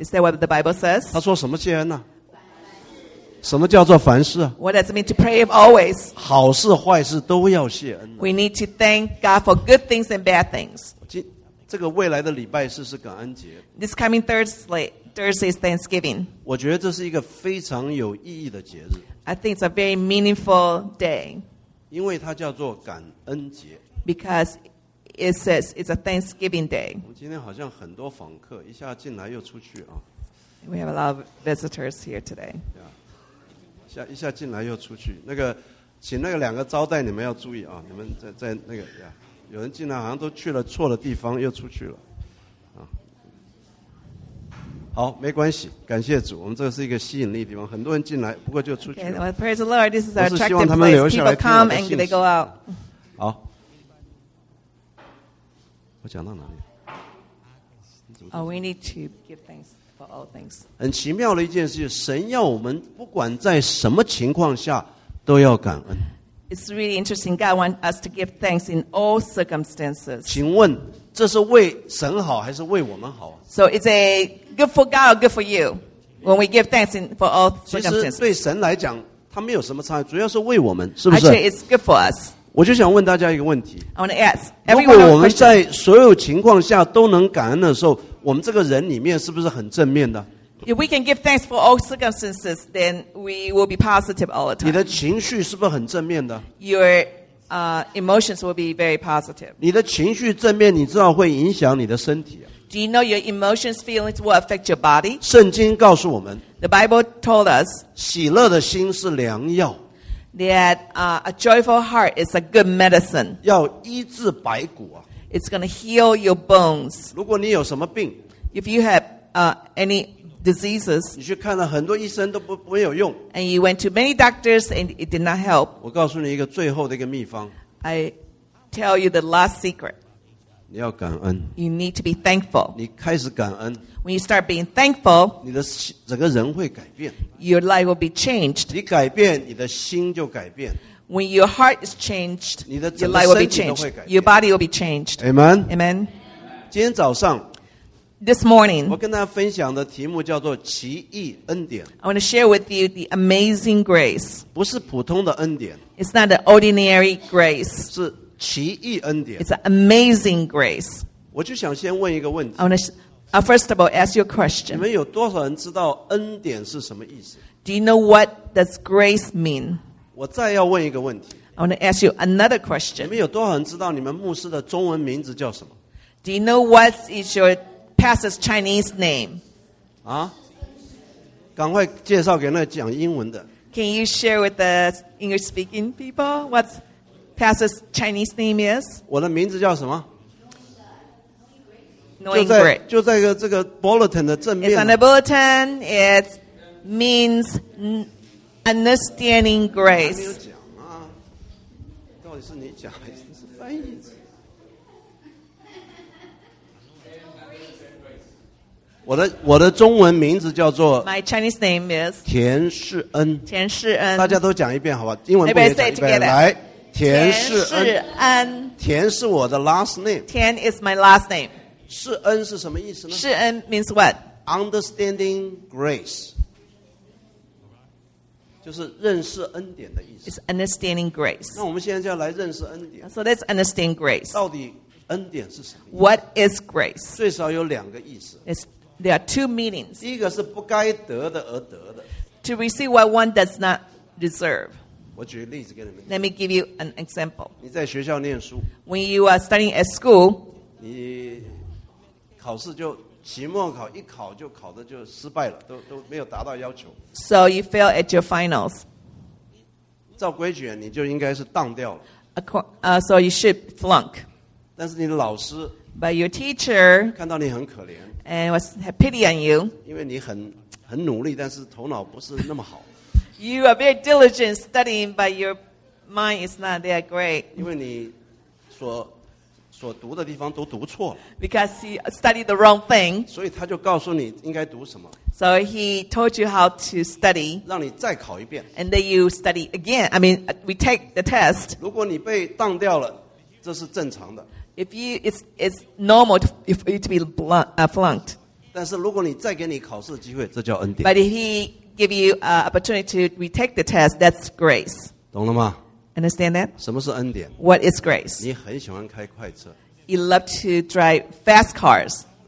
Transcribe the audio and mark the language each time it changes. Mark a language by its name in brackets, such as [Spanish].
[English] Is that what the Bible says? [Chinese] 他说什么谢恩呢？什么叫做凡事啊？ [English] What does it mean to pray always? [Chinese] 好事坏事都要谢恩。 [English] We need to thank God for good things and bad things. [Chinese] 这个未来的礼拜四是感恩节。 [English] This coming Thursday is Thanksgiving. [Chinese] 我觉得这是一个非常有意义的节日。 [English] I think it's a very meaningful day. [Chinese] 因为它叫做感恩节。 [English] Because it says it's a Thanksgiving day. [Chinese] 我们今天好像很多访客，一下进来又出去啊。 [English] We have a lot of visitors here today. [Chinese] 一下进来又出去，那个，请那个两个招待你们要注意啊，你们在那个呀。有人进来好像都去了错的地方又出去了、啊、好没关系感谢主我们这是一个吸引力的地方很多人进来不过就出去了 [English] okay, praise the Lord, this is our [Chinese] 我是希望他们留下来听我的信息 [English] they go out. [Chinese] 好我讲到哪里、 [English] oh, we need to give thanks for all things. [Chinese] 很奇妙的一件事神要我们不管在什么情况下都要感恩 [English] It's really interesting. God wants us to give thanks in all circumstances. [Chinese] 请问这是为神好还是为我们好 [English] So it's a good for God or good for you when we give thanks in for all circumstances. [Chinese] 其实对神来讲，他没有什么差异，主要是为我们，是不是 [English] Actually, it's good for us. [Chinese] 我就想问大家一个问题 [English] I want to ask. [Chinese] 如果我们在所有情况下都能感恩的时候，我们这个人里面是不是很正面的？ [English] If we can give thanks for all circumstances, then we will be positive all the time. [Chinese] 你的情绪是不是很正面的? [English] Your emotions will be very positive. [Chinese] 你的情绪正面，你知道会影响你的身体啊。 [English] Do you know your emotions, feelings will affect your body? [Chinese] 圣经告诉我们。 [English] The Bible told us. [Chinese] 喜乐的心是良药。 [English] That a joyful heart is a good medicine. [Chinese] 要医治白骨啊。 [English] It's going to heal your bones. [Chinese] 如果你有什么病。 [English] If you have any diseases. [Chinese] 你去看了很多医生都不没有用。 [English] And you went to many doctors and it did not help. [Chinese] 我告诉你一个最后的一个秘方。 [English] I tell you the last secret. [Chinese] 你要感恩。 [English] You need to be thankful. [Chinese] 你开始感恩。 [English] When you start being thankful, [Chinese] 你的整个人会改变。 [English] Your life will be changed. [Chinese] 你改变，你的心就改变。 [English] When your heart is changed, [Chinese] 你的整个身体都会改变。 [English] Your life will be changed. Your body will be changed. Amen. Amen. [Chinese] 今天早上 [English] This morning, [Chinese] 我跟大家分享的题目叫做奇异恩典。 [English] I want to share with you the amazing grace. [Chinese] 不是普通的恩典。 [English] It's not an ordinary grace. [Chinese] 是奇异恩典。 [English] It's an amazing grace. [Chinese] 我就想先问一个问题。 [English] I want to first of all, ask your question. [Chinese] 你们有多少人知道恩典是什么意思？ [English] Do you know what does grace mean? [Chinese] 我再要问一个问题。 [English] I want to ask you another question. [Chinese] 你们有多少人知道你们牧师的中文名字叫什么？ [English] Do you know what is your pastor's Chinese name? 啊？ [Chinese] 赶快介绍给那讲英文的。 [English] Can you share with the English speaking people what pastor's Chinese name is? [Chinese] 我的名字叫什么？就在这个 bulletin 的正面。 [English] It's on the bulletin. It means understanding grace. [Chinese] 还没有讲吗？到底是你讲还是是翻译？ [English] Grace. [Chinese] 我的中文名字叫做 [English] My Chinese name is [Chinese] 田世恩。田世恩。大家都讲一遍好吧？英文不也讲一遍？来，田世恩。田世恩。田是我的 [English] last name. 田 is my last name. [Chinese] 世恩是什么意思呢？ [English] 世恩 means what? Understanding grace. [Chinese] 就是认识恩典的意思。 [English] It's understanding grace. [Chinese] 那我们现在就要来认识恩典。 [English] So let's understand grace. [Chinese] 到底恩典是什么意思？ [English] What is grace? [Chinese] 最少有两个意思。 [English] There are two meanings. [Chinese] 第一个是不该得的而得的。 [English] To receive what one does not deserve. [Chinese] 我举个例子给你们。 [English] Let me give you an example. [Chinese] 你在学校念书。 [English] When you are studying at school, [Chinese] 你考试就期末考一考就考的就失败了，都没有达到要求。 [English] So you fail at your finals. [Chinese] 照规矩你就应该是当掉了。 [English] So you should flunk. [Chinese] 但是你的老师 [English] But your teacher [Chinese] 看到你很可怜 [English] and was have pity on you. [Chinese] 因为你很努力，但是头脑不是那么好。 [English] You are very diligent studying, but your mind is not that great. [Chinese] 因为你所读的地方都读错了。 [English] Because he studied the wrong thing. [Chinese] 所以他就告诉你应该读什么。 [English] So he told you how to study. [Chinese] 让你再考一遍。 [English] And then you study again. I mean, we take the test. [Chinese] 如果你被当掉了，这是正常的。 [English] If you, it's normal for you to be flunked. [Chinese] 但是如果你再给你考试的机会，这叫恩典。 [English] But if he give you an opportunity to retake the test, that's grace. [Chinese] 懂了吗？ [English] Understand that? [Chinese] 什么是恩典? [English] What is grace? [Chinese] 你很喜欢开快车。 [English] You love to drive fast cars.